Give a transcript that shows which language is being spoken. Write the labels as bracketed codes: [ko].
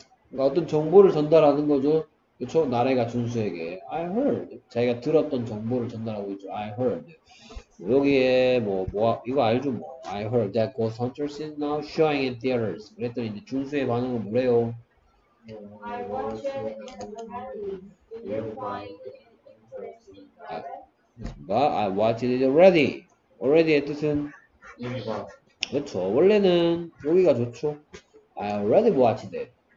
[ko] 그러니까 어떤 정보를 전달하는 거죠. 그렇죠? 나래가 준수에게 [en] I heard. [ko] 자기가 들었던 정보를 전달하고 있죠. [en] I heard. [ko] 여기에 이거 알죠 뭐. [en] I heard that Ghost Hunters is now showing in theaters. [ko] 그랬더니 이제 준수의 반응은 뭐래요? [en] I watched it in the movie. You find it interesting. But I watched it already. [ko] Already의 뜻은? 그렇죠. 원래는 여기가 좋죠. [en] I already watched it.